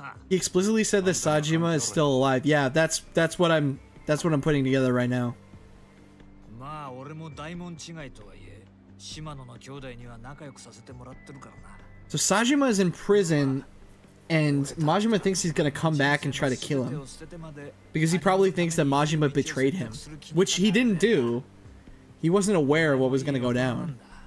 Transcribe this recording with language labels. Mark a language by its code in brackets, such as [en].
[en] He explicitly said that Sajima is still alive. Yeah, that's what I'm putting together right now. [ja] まあ俺も大門違いとはいえ、島野の兄弟には仲良くさせてもらってるからな。 [en] So Sajima is in prison, and Majima thinks he's gonna come back and try to kill him. Because he probably thinks that Majima betrayed him. Which he didn't do. He wasn't aware of what was gonna go down.